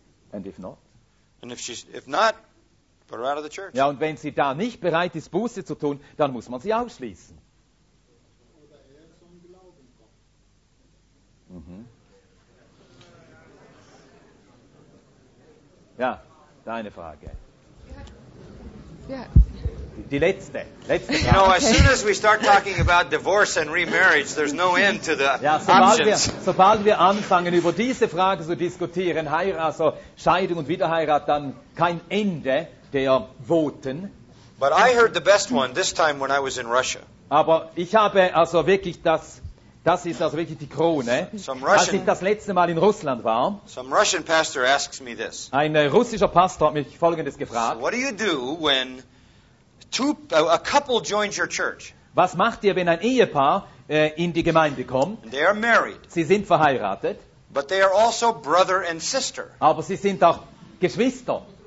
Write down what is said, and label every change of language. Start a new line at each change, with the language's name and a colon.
English: And if not? And if not, put her out of the church.
German: Ja, und wenn sie da nicht bereit ist, Buße zu tun, dann muss man sie ausschließen. Ja, deine Frage.
English: Yeah.
German: Die letzte Frage.
English: You know, as soon as we start talking about divorce and remarriage, there's no end to the options.
German: Sobald wir anfangen, über diese Frage zu diskutieren, Heirat, also Scheidung und Wiederheirat, dann kein Ende der Voten.
English: But I heard the best one this time when I was in Russia.
German: Aber ich habe also wirklich das, das ist also wirklich die Krone.
English: Some Russian,
German: als ich das letzte Mal in Russland war,
English: some Russian pastor asks me this.
German: Ein russischer Pastor hat mich Folgendes gefragt.
English: So what do you do when a couple joins your church?
German: Was macht ihr, wenn ein Ehepaar in die Gemeinde kommt?
English: They are married.
German: Sie sind verheiratet.
English: But they are also brother and sister.
German: Aber sie sind auch Geschwister.